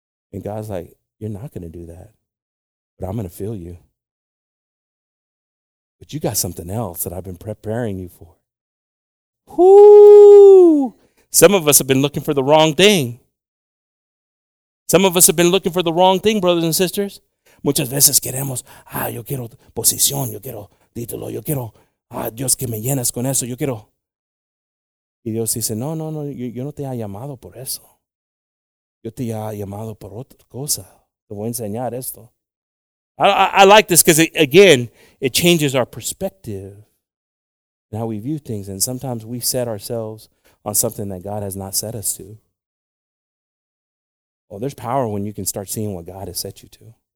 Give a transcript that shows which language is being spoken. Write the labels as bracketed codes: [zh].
[en] And God's like, you're not going to do that. But I'm going to fill you. But you got something else that I've been preparing you for. Woo! Some of us have been looking for the wrong thing. Some of us have been looking for the wrong thing, brothers and sisters. [es] Muchas veces queremos, yo quiero posición, yo quiero título, yo quiero, Dios que me llenas con eso, yo quiero. Y Dios dice, no, yo no te he llamado por eso. Yo te he llamado por otra cosa. Te voy a enseñar esto. [en] I like this because, it changes our perspective and how we view things. And sometimes we set ourselves on something that God has not set us to. Well, there's power when you can start seeing what God has set you to.